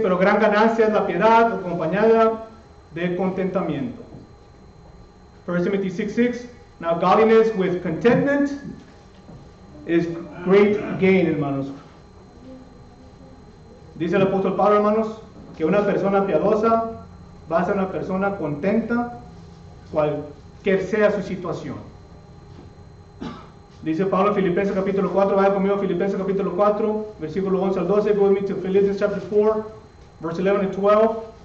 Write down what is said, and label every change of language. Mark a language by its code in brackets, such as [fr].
[es] Pero gran ganancia es la piedad acompañada de contentamiento. 1 Timoteo 6:6. [en] Now godliness with contentment is great gain, hermanos. [es] Dice el apóstol Pablo, hermanos, que una persona piadosa va a ser una persona contenta cualquier sea su situación. Dice Pablo en Filipenses capítulo 4, vaya conmigo a Filipenses capítulo 4, versículo 11 al 12. [en] Go with me to Philippians chapter 4, verse 11 and 12.